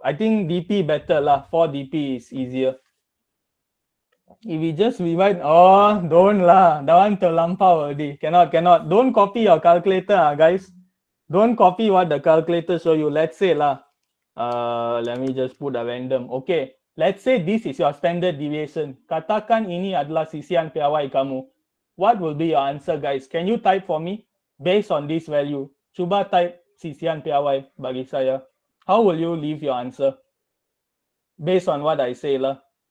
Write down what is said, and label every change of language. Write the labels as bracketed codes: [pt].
[en] I think DP better lah, 4 DP is easier. If we just rewrite, oh don't lah, that one terlampau already. Cannot. Don't copy your calculator ah guys. Don't copy what the calculator show you. Let's say lah, let me just put a random. Okay, let's say this is your standard deviation. [ms] Katakan ini adalah sisian piawai kamu. [en] What will be your answer, guys? Can you type for me based on this value? [ms] Cuba type sisian piawai bagi saya. [en] How will you leave your answer based on what I say lah?